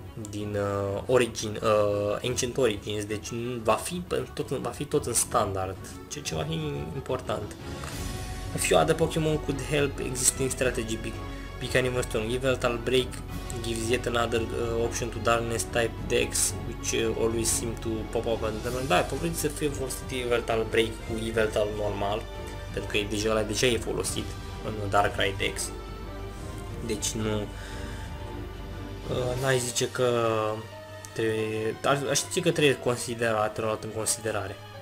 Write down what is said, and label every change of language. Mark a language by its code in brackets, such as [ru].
[ro] din origin, Ancient Origins, deci va fi tot în standard, ce va fi important. [en] A few other Pokemon could help existing strategy becoming more strong. Even Tal Break gives yet another option to darkness type decks, which always seem to pop up and then. [ro] Da, probabil să fie folosit Even Tal Break cu Even Tal normal, pentru că e deja la deja e folosit în Darkrai decks. Deci nu n-ai zice că trebuie, aș zice că trebuie considerat, luat în considerare.